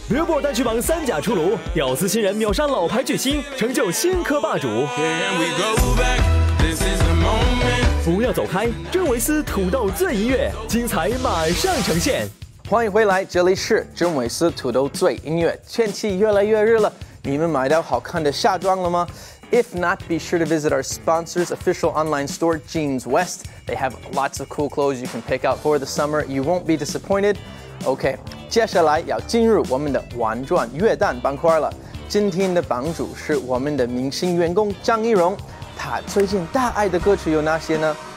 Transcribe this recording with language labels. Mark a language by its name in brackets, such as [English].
[Chinese] Billboard 单曲榜三甲出炉，屌丝新人秒杀老牌巨星，成就新科霸主。不要走开，郑维斯土豆最音乐精彩马上呈现。欢迎回来，这里是郑维斯土豆最音乐。天气越来越热了，你们买到好看的夏装了吗？ [English] If not, be sure to visit our sponsor's official online store, Jeans West. They have lots of cool clothes you can pick out for the summer. You won't be disappointed. [Chinese] Okay, 接下来要进入我们的玩转乐蛋板块了。今天的榜主是我们的明星员工姜颖蓉，她最近大爱的歌曲有哪些呢？